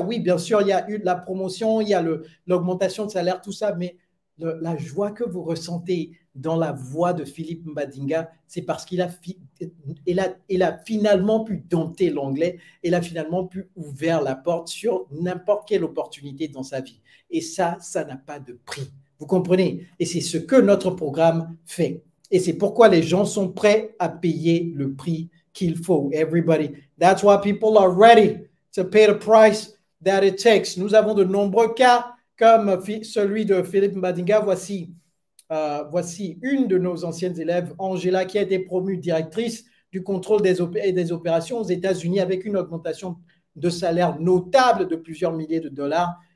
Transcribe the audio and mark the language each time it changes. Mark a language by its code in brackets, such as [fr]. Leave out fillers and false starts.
[fr] Oui, bien sûr, il y a eu la promotion, il y a l'augmentation de salaire, tout ça, mais la joie que vous ressentez dans la voix de Philippe Mbadinga, c'est parce qu'il a finalement pu dompter l'anglais, il a finalement pu ouvrir la porte sur n'importe quelle opportunité dans sa vie. Et ça n'a pas de prix. Vous comprenez? Et c'est ce que notre programme fait. Et c'est pourquoi les gens sont prêts à payer le prix qu'il faut. [en] Everybody, that's why people are ready to pay the price that it takes. [fr] Nous avons de nombreux cas comme celui de Philippe Mbadinga. Voici une de nos anciennes élèves, Angela, qui a été promue directrice du contrôle des opérations aux États-Unis avec une augmentation de salaire notable de plusieurs milliers de dollars.